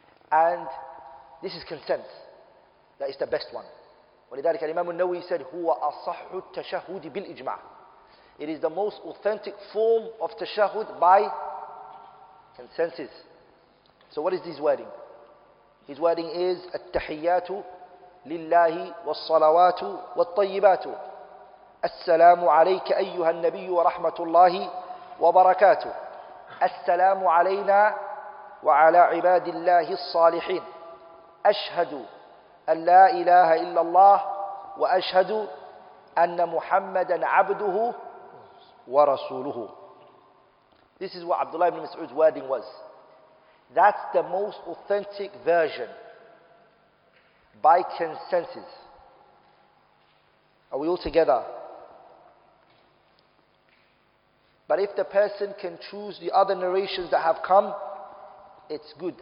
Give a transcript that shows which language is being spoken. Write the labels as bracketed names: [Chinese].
[English] And this is consent. That is the best one. [Arabic] وَلِذَلِكَ الْإِمَامُ النَّوِّيِّ said, هُوَ أَصَحُّ التَّشَهُودِ بِالْإِجْمَعِ. [English] It is the most authentic form of tashahud by consensus. So what is his wording? His wording is, [Arabic] التَّحِيَّاتُ لِلَّهِ وَالصَّلَوَاتُ وَالطَّيِّبَاتُ السَّلَامُ عَلَيْكَ أَيُّهَا النَّبِيُّ وَرَحْمَةُ اللَّهِ وبركاته السلام علينا وعلى عباد الله الصالحين أشهد أن لا إله إلا الله وأشهد أن محمدا عبده ورسوله. [English] This is what Abdullah ibn Mas'ud's wording was. That's the most authentic version by consensus. Are we all together? But if the person can choose the other narrations that have come, it's good.